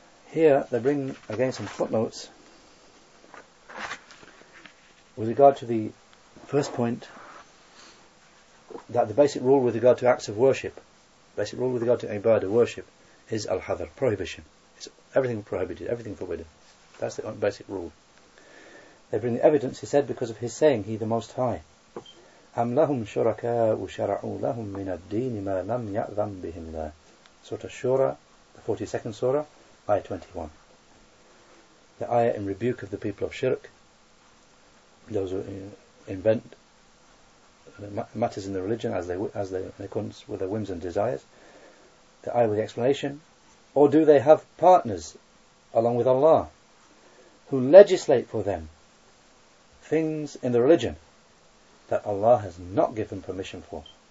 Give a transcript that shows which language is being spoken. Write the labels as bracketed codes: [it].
[en] Here, they bring again some footnotes with regard to the first point, that the basic rule with regard to acts of worship, basic rule with regard to ibadah, worship, is al-hadr, prohibition. It's everything prohibited, everything forbidden. That's the basic rule. They bring the evidence, he said, because of his saying, He the Most High. [ar] أَمْ لَهُمْ شُرَكَاءُ شَرَعُوا لَهُمْ مِنَ الدِّينِ مَا لَمْ يَأْذَنْ بِهِمْ لَا [en] Surah Shura, the 42nd surah, Ayah 21. The ayah in rebuke of the people of shirk, those who invent matters in the religion as they couldn't with their whims and desires. The ayah with the explanation. Or do they have partners along with Allah who legislate for them things in the religion that Allah has not given permission for?